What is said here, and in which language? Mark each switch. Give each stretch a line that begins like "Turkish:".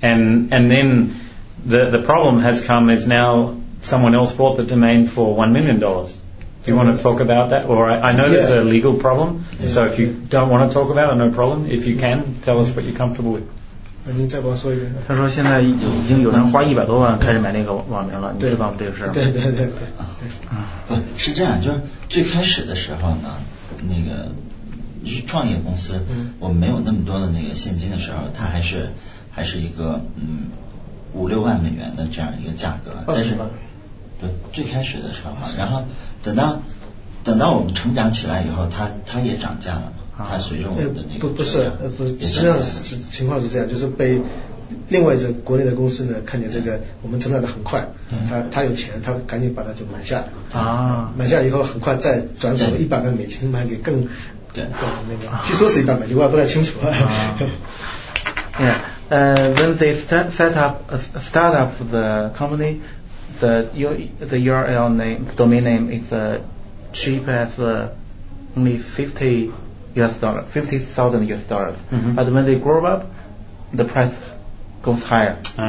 English: And then the problem has come is now someone else bought the domain for $1 million. Do you want to talk about that? There's a legal problem. Yeah, so if you don't want to talk about it, no problem. If you can, tell us what you're comfortable with.
Chinese: 您再帮我说一遍。他说现在已经有人花100多万开始买那个网名了，你知道吗？这个事儿。对对对对。是这样，就是最开始的时候呢，那个就是创业公司，我没有那么多的那个现金的时候，它还是一个5-6万美元的这样一个价格。最开始的时候，然后等到我们成长起来以后，它也涨价了。他随着我们的那个、实际上情况是这样，就是被另外一个国内的公司呢看见这个我们成长得很快，他有钱，他赶紧把它就买下买下以后很快再转手100万美金卖给更那个，据说是100美金，我也不太清楚了。
English: When they start up the company, the URL name, the domain name is cheap as only $50,000. Mm-hmm. But when they grow up, the price goes higher.